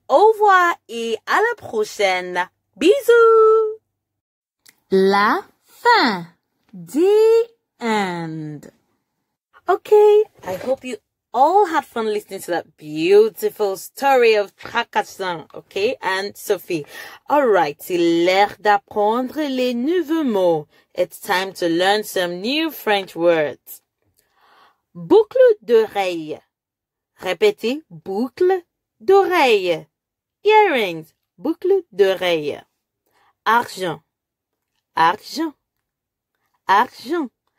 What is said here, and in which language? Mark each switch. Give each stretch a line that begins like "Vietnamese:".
French: Au revoir et à la prochaine. Bisous. La fin.
English: The end. Okay, I hope you all had fun listening to that beautiful story of Tracassin, okay, and Sophie. All right,
French: c'est l'heure d'apprendre les nouveaux mots.
English: It's time to learn some new French words.
French: Boucle d'oreille. Répétez, boucle d'oreille. Earrings, boucle d'oreille. Argent, argent, argent.